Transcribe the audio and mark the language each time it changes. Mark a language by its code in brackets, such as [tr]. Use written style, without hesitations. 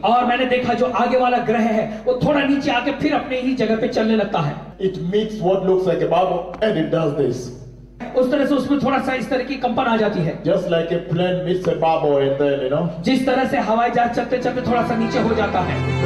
[hi] और मैंने देखा जो आगे वाला ग्रह है वो थोड़ा नीचे आके फिर अपने ही जगह पे चलने लगता है. [en] It meets what looks like a bubble and it does this. [hi] उस तरह से उसमें थोड़ा सा इस तरह की कंपन आ जाती है. [en] Just like a plane meets a bubble and then you know. [hi] जिस तरह से हवाई जहाज चलते चलते थोड़ा सा नीचे हो जाता है.